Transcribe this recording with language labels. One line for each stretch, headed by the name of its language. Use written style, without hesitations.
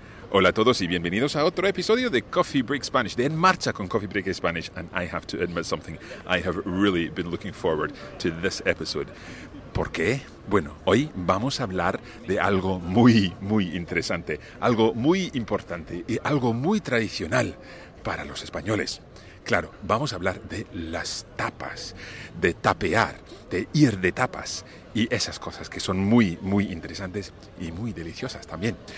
Spanish: Hola a todos y bienvenidos a otro episodio de Coffee Break Spanish, de En Marcha con Coffee Break Spanish.
English: And I have to admit something, I have really been looking forward to this episode.
Spanish: ¿Por qué? Bueno, hoy vamos a hablar de algo muy, muy interesante, algo muy importante y algo muy tradicional para los españoles. Claro, vamos a hablar de las tapas, de tapear, de ir de tapas y esas cosas que son muy, muy interesantes y muy deliciosas también.